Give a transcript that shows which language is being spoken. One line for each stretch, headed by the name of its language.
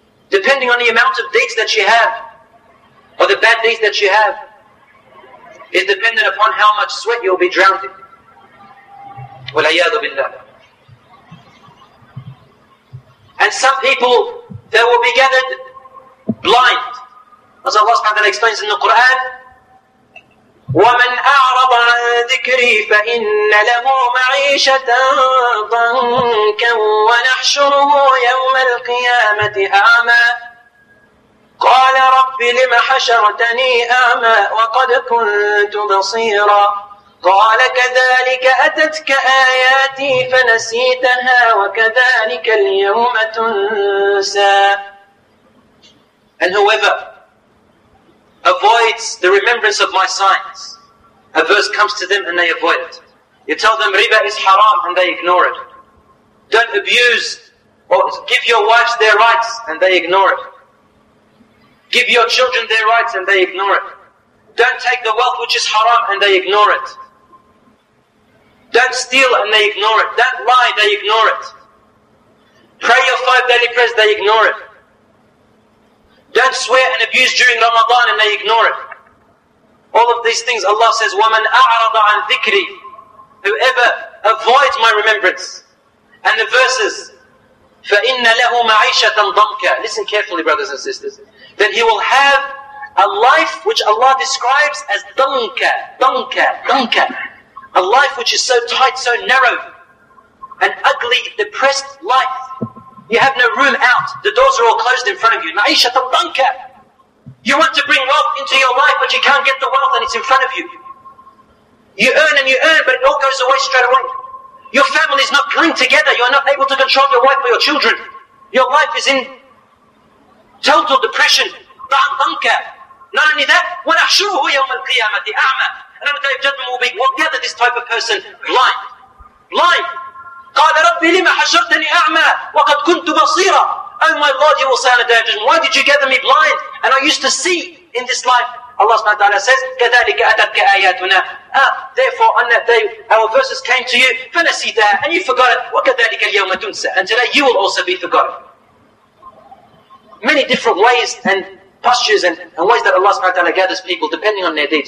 English: Depending on the amount of deeds that you have, or the bad deeds that you have, is dependent upon how much sweat you'll be drowned in.
Arabic: وَلَيَّذُ بِاللَّهِ.
English: And some people, they will be gathered blind. As Allah subhanahu wa ta'ala explains in the Qur'an,
Arabic: وَمَنْ أَعْرَضَ عَنْ ذِكْرِي فَإِنَّ لَهُ مَعِيشَةً ضَنْكًا وَنَحْشُرُهُ يَوْمَ الْقِيَامَةِ أَعْمَى قَالَ رَبِّ لِمَ حَشَرْتَنِي أَعْمَى وَقَدْ كُنْتُ بَصِيرًا قال كذلك أتتك آياتي فنسيتها وكذلك اليوم تنسى.
English: And whoever avoids the remembrance of my signs, a verse comes to them and they avoid it. You tell them riba is haram and they ignore it. Don't abuse or give your wives their rights and they ignore it. Give your children their rights and they ignore it. Don't take the wealth which is haram and they ignore it. Don't steal and they ignore it. Don't lie, they ignore it. Pray your five daily prayers, they ignore it. Don't swear and abuse during Ramadan and they ignore it. All of these things, Allah says,
Arabic: وَمَنْ أَعْرَضَ عَنْ ذِكْرِي.
English: Whoever avoids my remembrance. And the verses,
Arabic: فَإِنَّ لَهُ مَعِيشَةً ضَمْكَ.
English: Listen carefully, brothers and sisters. Then he will have a life which Allah describes as
Arabic: ضَمْكَ, ضَمْكَ, ضَمْكَ.
English: A life which is so tight, so narrow, an ugly, depressed life. You have no room out. The doors are all closed in front of you.
Arabic: مَعِيشَةً ضَمْكَ.
English: You want to bring wealth into your life, but you can't get the wealth and it's in front of you. You earn and you earn, but it all goes away straight away. Your family is not clinging together. You are not able to control your wife or your children. Your life is in total depression. Not only that,
Arabic: وَنَحْشُرُهُ يَوْمَ الْقِيَامَةِ أَعْمَى.
English: And on the day of judgment will be, we'll gather this type of person blind. Blind.
Arabic: قَالَ رَبِّي لِمَ حَشَرْتَنِي أَعْمَى وَقَدْ كُنْتُ بَصِيرًا.
English: Oh my Lord, he will say on the day of judgment, why did you gather me blind? And I used to see in this life. Allah subhanahu wa ta'ala says,
Arabic: كَذَلِكَ أَتَتْكَ آيَاتُنَا.
English: Therefore, on that day, our verses came to you,
Arabic: فَنَسِيتَهَا,
English: and you forgot it.
Arabic: وَكَذَلِكَ الْيَوْمَ تُنْسَى.
English: And today you will also be forgotten. Many different ways and postures and ways that Allah subhanahu wa ta'ala gathers people, depending on their deeds.